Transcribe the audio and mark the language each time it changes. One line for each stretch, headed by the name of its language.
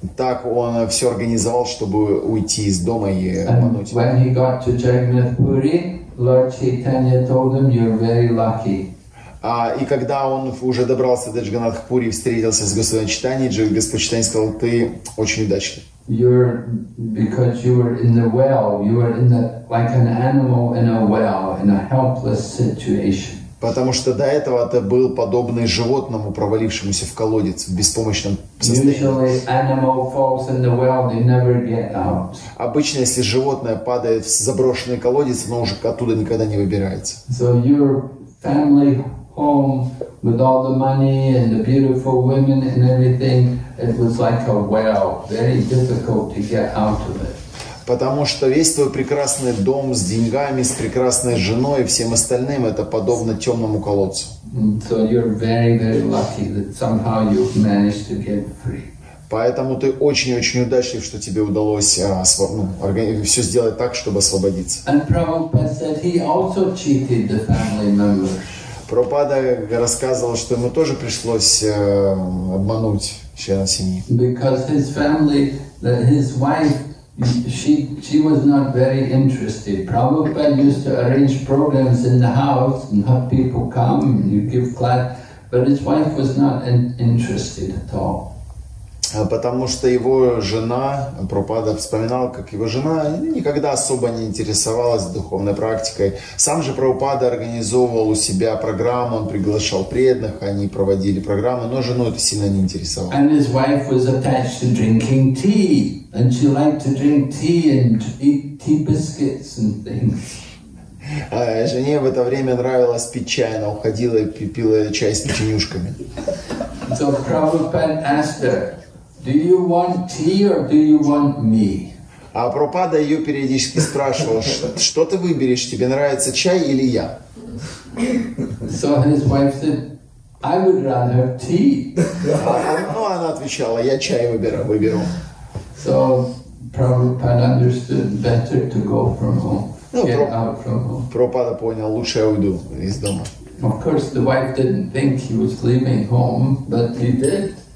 Russian: Так он все организовал, чтобы уйти из дома и обмануть.
English: And when he got to Джаганнатхапури, Lord Chaitanya told him, you're very lucky.
Russian: И когда он уже добрался до Джаганнатхапури и встретился с Господом Чайтаньей, Господь Чайтанья сказал, ты очень удачлив.
English: You're because you were in the well, you were in the like an animal in a well, in a helpless situation.
Russian: Потому что до этого ты был подобный животному, провалившемуся в колодец, в беспомощном состоянии.
English: Usually animal falls in the well, they never get out.
Russian: Обычно, если животное падает в заброшенный колодец, оно уже оттуда никогда не выбирается.
English: So your family home with all the money and the beautiful women and everything, it was like a well, very difficult to get out of it.
Russian: Потому что весь твой прекрасный дом с деньгами, с прекрасной женой и всем остальным, это подобно темному колодцу.
English: So you're very, very lucky that somehow you've managed to get free.
Russian: Поэтому ты очень-очень удачлив, что тебе удалось все сделать так, чтобы освободиться.
English: And Prabhupada said he also cheated the family members.
Russian: Прабхупада рассказывал, что ему тоже пришлось обмануть членов семьи.
English: Because his family, his wife, she was not very interested. Prabhupada used to arrange programs in the house and have people come and you give class, but his wife was not interested at all.
Russian: Потому что его жена, Прабхупада вспоминал, как его жена никогда особо не интересовалась духовной практикой. Сам же Прабхупада организовывал у себя программу, он приглашал преданных, они проводили программы, но жену это сильно не интересовало.
English: And his wife was attached to drinking tea, and she liked to drink tea and eat tea biscuits and things.
Russian: Жене в это время нравилось пить чай, она уходила и пила чай с печенюшками.
English: So Prabhupada asked her, do you want tea or do you want me?
Russian: А Прабхупада ее периодически спрашивал, что ты выберешь, тебе нравится чай или я?
English: So his wife said, I would rather tea.
Russian: Она отвечала, я чай выберу.
English: So Prabhupada understood better to go from home, out from home.
Russian: Прабхупада понял, лучше я уйду из дома.
English: Of course, the wife didn't think he was leaving home, but he did.